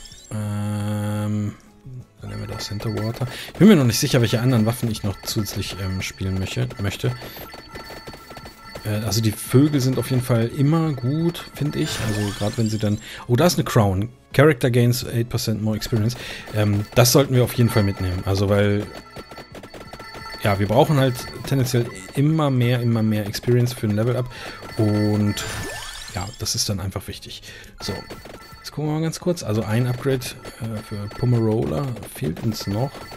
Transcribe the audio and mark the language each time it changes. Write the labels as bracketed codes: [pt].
[de] Dann nehmen wir das Center Water. Ich bin mir noch nicht sicher, welche anderen Waffen ich noch zusätzlich spielen möchte. Also die Vögel sind auf jeden Fall immer gut, finde ich. Also gerade wenn sie dann... Oh, da ist eine Crown. [en] Character gains 8% more experience. [de] Das sollten wir auf jeden Fall mitnehmen. Also weil... Ja, wir brauchen halt tendenziell immer mehr Experience für ein Level-Up. Und ja, das ist dann einfach wichtig. So, jetzt gucken wir mal ganz kurz. Also ein Upgrade für Pumarola fehlt uns noch.